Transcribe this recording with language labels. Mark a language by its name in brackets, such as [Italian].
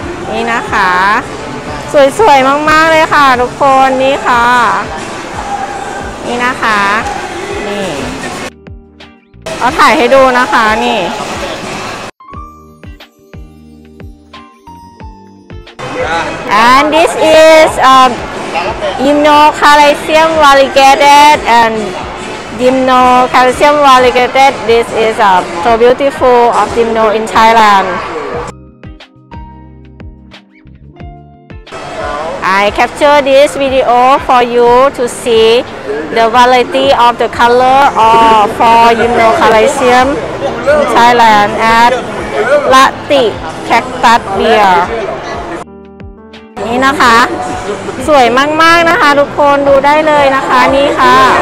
[Thai] นี่นะคะสวยๆมากๆเลยค่ะทุกคนนี่ค่ะนี่นะคะนี่เอาถ่ายให้ดูนะคะนี่ [English] and this is Yimno Calcium Variegated andGymno Calcium Variegated. This is so beautiful of Gymno in Thailand. I capture this video for you to see the variety of the color for Gymno Calcium in Thailand at Lati Cactus Beer. [Thai] นี่นะคะสวยมากๆนะคะทุกคนดูได้เลยนะคะนี่ค่ะ